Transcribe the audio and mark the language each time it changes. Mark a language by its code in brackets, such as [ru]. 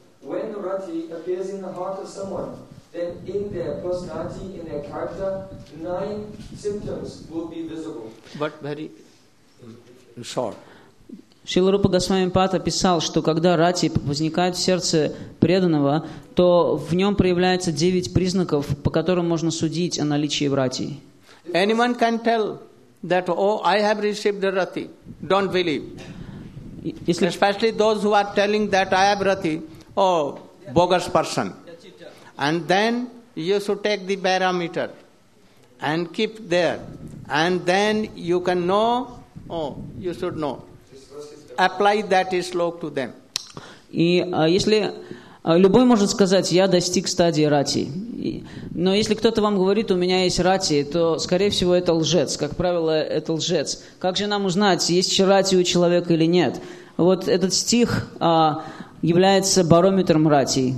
[en] When Rati appears in the heart of someone, then in their personality, in their character, nine symptoms will be visible. But very short. [ru] Шрила Рупа Госвами Пад описал, что когда рати возникает в сердце преданного, то в нем проявляется девять признаков, по которым можно судить о наличии в рати. [en] Anyone can tell that, I have received the rati. Don't believe. Especially those who are telling that I have rati, bogus person. And then you should take the barometer and keep there. And then you can know, you should know. Apply that slok to them. [ru] И если любой может сказать, я достиг стадии рати. Но если кто-то вам говорит, у меня есть рати, то, скорее всего, это лжец. Как правило, это лжец. Как же нам узнать, есть рати у человека или нет? Вот этот стих является барометром рати.